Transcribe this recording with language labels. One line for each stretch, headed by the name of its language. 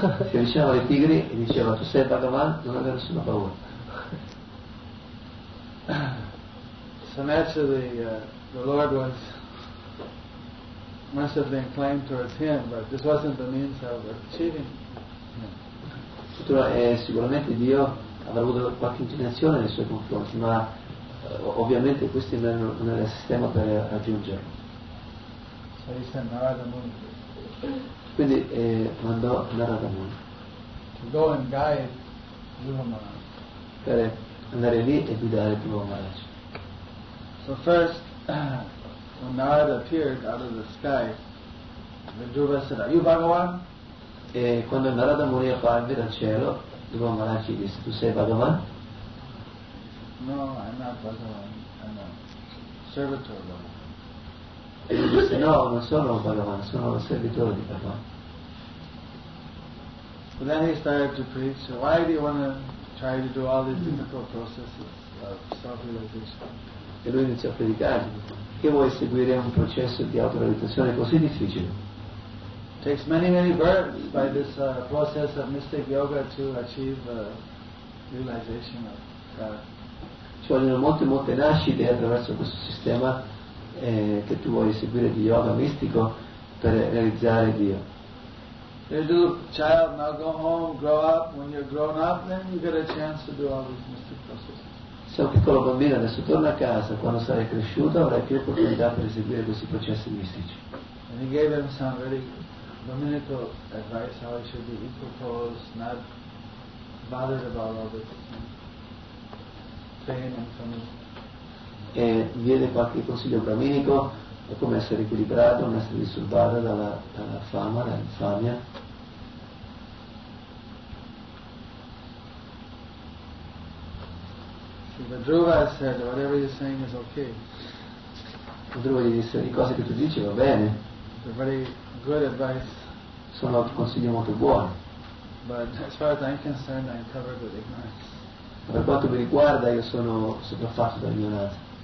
Italian: Si avvicinava ai tigri e diceva tu sei Bhagavan, non aveva nessuna paura.
English: So naturally the Lord was must have been inclined towards him, but this wasn't the means of achieving him.
Italian: Sicuramente Dio avrà avuto qualche inclinazione nei suoi confronti, ma ovviamente questo non era il sistema per raggiungerlo.
English: So he sent Narada Muni.
Italian: Quindi mandò Narada Muni
English: to go and guide Dhruva Maharaj.
Italian: Per andare lì e guidare Dhruva Maharaj.
English: So first when Narada appeared out of the sky, the Dhruva said, "Are you Bhagavan?"
Italian: E quando Narada Muni apparve dal cielo, Dhruva Maharaj disse, "Tu sei Bhagavan?"
English: "No, I'm not Bhagavan. I'm a servitor of Bhagavan."
Italian: E lui disse, "No, non sono Bhagavan, sono un servitore di Bhagavan."
English: But then he started to preach, "So why do you want to try to do all these difficult processes of self-realization?"
Italian: e lui iniziò a predicargli che vuoi seguire un processo di autorealizzazione così difficile.
English: Takes many, many births by this process of mystic yoga to achieve the realization of God.
Italian: Ci vogliono molte, molte nascite attraverso questo sistema che tu vuoi seguire di yoga mistico per realizzare Dio.
English: Little child, now go home, grow up. When you're grown up, then you get a chance to do all these mystic processes.
Italian: Sei un piccolo bambino, adesso torna a casa. Quando sarai cresciuto, avrai più opportunità per eseguire questi processi mistici.
English: And he gave him some very dominical advice how he should be equipoised, not bothered about all the pain and coming.
Italian: E diede qualche consiglio braminico e come essere equilibrato, non essere disturbato dalla fama, dall'infamia.
English: Vedruva said, whatever you're saying is okay.
Italian: Vedruva gli disse, le cose che tu dici va bene.
English: It's a very good advice.
Italian: Sono consigli molto buoni.
English: But as far as I'm concerned, I'm covered with ignorance.
Italian: Ma per quanto mi riguarda, io sono sopraffatto da ignoranza.